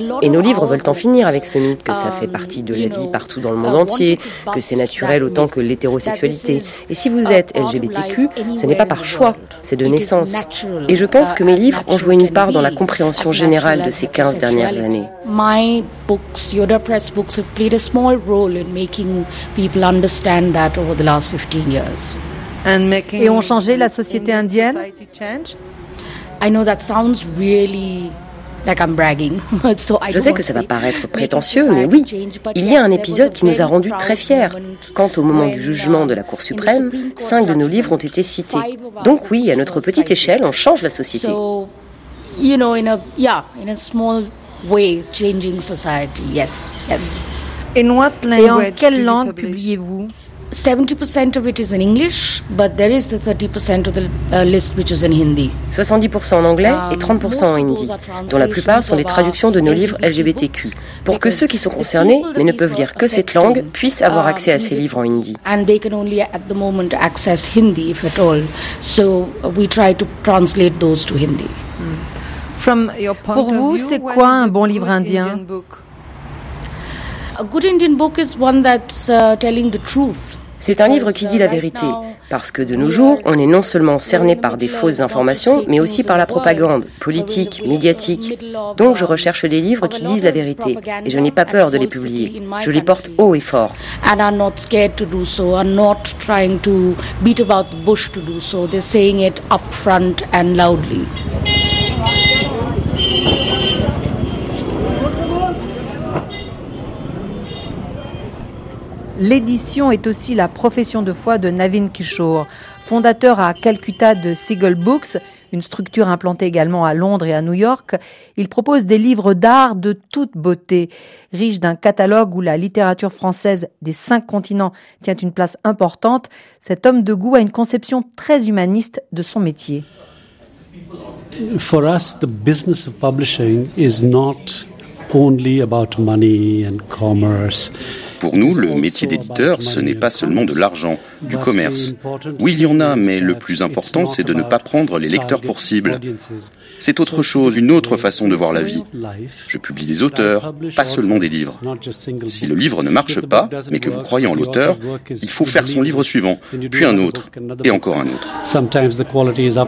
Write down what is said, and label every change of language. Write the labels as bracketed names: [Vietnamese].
[French] Et nos livres veulent en finir avec ce mythe que ça fait partie de la vie partout dans le monde entier, que c'est naturel autant que l'hétérosexualité. Et si vous êtes LGBTQ, ce n'est pas par choix, c'est de naissance. Et je pense que mes livres ont joué une part dans la compréhension générale de ces 15 dernières années. [English] My books, Yoda Press books, have played a small role in making people understand that over the last 15 years. And making [French] et ont changé la société indienne. [English] I know that sounds really like I'm bragging. So I [French] je sais que ça va paraître prétentieux, mais oui, il y a un épisode qui nous a rendus très fiers. Quand au moment du jugement de la Cour suprême, 5 de nos livres ont été cités. Donc oui, à notre petite échelle, on change la société. [English] So, you know, in a small way, changing society. Yes, yes. In what language? [French] Et en quelle langue publiez-vous? [English] 70% of it is in English, but there is the 30% of the list which is in Hindi. [French] 70% en anglais et 30% en hindi, dont la plupart sont les traductions de nos livres LGBTQ, pour que ceux qui sont concernés mais ne peuvent lire que cette langue puissent avoir accès à ces livres en hindi. [English] And they can only at the moment access Hindi, if at all. So we try to translate those to Hindi. From your point of view, [French] c'est quoi un bon livre indien? [English] A good Indian book is one that's telling the truth. [French] C'est un livre qui dit la vérité, parce que de nos jours, on est non seulement cerné par des fausses informations, mais aussi par la propagande, politique, médiatique. Donc je recherche des livres qui disent la vérité, et je n'ai pas peur de les publier. Je les porte haut et fort. [English] And are not scared to do so, are not trying to beat about the bush to do so. They're saying it up front and loudly. [French] L'édition est aussi la profession de foi de Navin Kishore, fondateur à Calcutta de Seagull Books, une structure implantée également à Londres et à New York. Il propose des livres d'art de toute beauté, riches d'un catalogue où la littérature française des 5 continents tient une place importante. Cet homme de goût a une conception très humaniste de son métier. [English] For us, the business of publishing is not only about money and commerce. [French] Pour nous, le métier d'éditeur, ce n'est pas seulement de l'argent, du commerce. Oui, il y en a, mais le plus important, c'est de ne pas prendre les lecteurs pour cible. C'est autre chose, une autre façon de voir la vie. Je publie des auteurs, pas seulement des livres. Si le livre ne marche pas, mais que vous croyez en l'auteur, il faut faire son livre suivant, puis un autre, et encore un autre.